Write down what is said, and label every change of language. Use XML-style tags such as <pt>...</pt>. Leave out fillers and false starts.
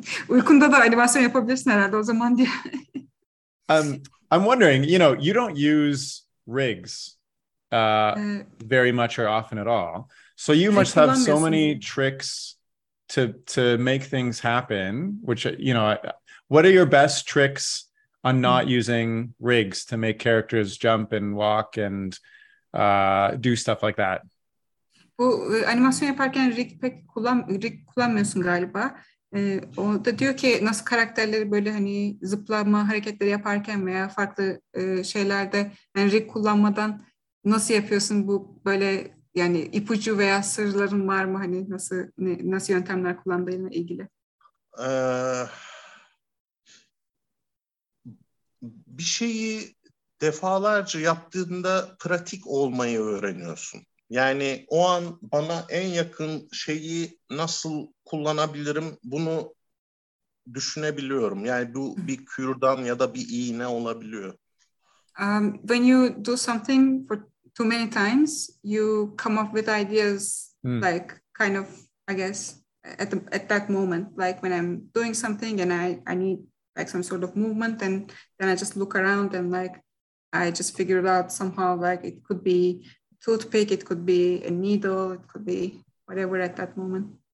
<tr>Uykunda da animasyon yapabilirsin herhalde o zaman diye.</tr> <en>I'm wondering, you know, you don't use rigs very much or often at all. So you must have so many tricks to make things happen, which, you know, what are your best tricks on not using rigs to make characters jump and walk and do stuff like that?</en> <tr>Bu animasyon yaparken rig kullanmıyorsun galiba. O da diyor ki nasıl karakterleri böyle hani zıplama hareketleri yaparken veya farklı şeylerde yani rig kullanmadan nasıl yapıyorsun bu böyle yani ipucu veya sırların var mı hani nasıl yöntemler kullandığıyla ilgili? Bir şeyi defalarca yaptığında pratik olmayı öğreniyorsun. Yani o an bana en yakın şeyi nasıl kullanabilirim bunu düşünebiliyorum. Yani bu bir kürdan ya da bir iğne olabiliyor.</tr> <en>When you do something for too many times, you come up with ideas like kind of, I guess, at that moment. Like when I'm doing something and I need like some sort of movement and then I just look around and like I just figure it out somehow like it could be toothpick, it could be a needle, it could be whatever at that moment.</en>